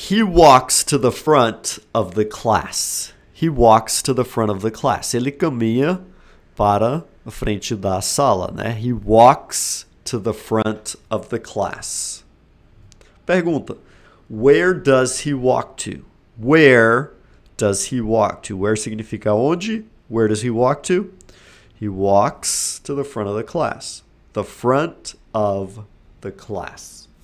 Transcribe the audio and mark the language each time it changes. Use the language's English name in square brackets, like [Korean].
[English] He walks to the front of the class. He walks to the front of the class. [Portuguese] Ele caminha para a frente da sala, né? [English] He walks to the front of the class. [Portuguese] Pergunta. [English] Where does he walk to? Where does he walk to? Where [Portuguese] significa onde? [English] Where does he walk to? He walks to the front of the class. The front of the class.